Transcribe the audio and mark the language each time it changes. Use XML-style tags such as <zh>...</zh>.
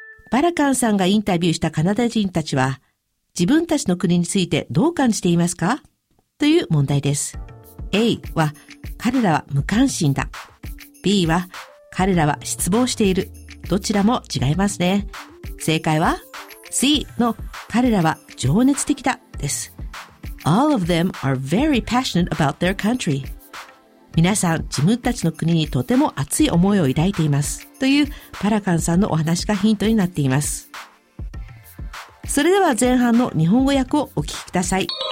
<ja>バラカンさんがインタビューしたカナダ人たちは、自分たちの国についてどう感じていますか？という問題です。A は、彼らは無関心だ。B は、彼らは失望している。どちらも違いますね。正解は C の彼らは情熱的だです。</ja> <en>All of them are very passionate about their country.</en> <ja>皆さん、自分たちの国にとても熱い思いを抱いています。というパラカンさんのお話がヒントになっています。それでは前半の日本語訳をお聞きください。</ja>